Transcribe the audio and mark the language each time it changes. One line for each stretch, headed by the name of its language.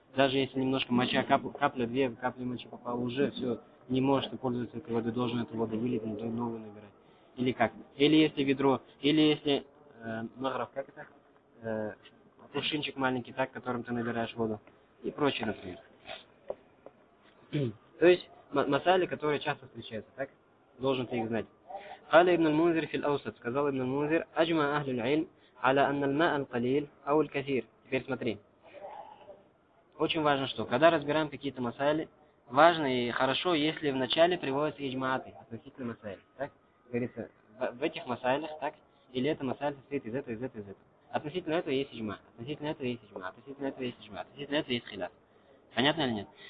Russian: Даже если немножко моча, капля, две капли мочи попало, уже все, не можешь пользоваться этой водой, должен эту воду вылить, надо новую набирать. Или как? Или если ведро, или если магров, как это? Кувшинчик маленький, так, которым ты набираешь воду. И прочее, например. То есть, масали, которые часто встречаются, так? Должен ты их знать.
Arabic: قال ابن المنذر في الأوسط
Russian: сказал
Arabic: ابن المنذر أجمع أهل العلم على أن الماء القليل أو الكثير.
Russian: Теперь смотри. Очень важно, что когда разбираем какие-то масали, важно и хорошо, если в начале приводятся иджмааты относительно масали. Так говорится в этих масалях, так или эта масаль состоит из этого, из этого, из этого. Относительно этого есть иджма, относительно этого есть иджма, относительно этого есть иджма, относительно этого есть хилас. Понятно или нет?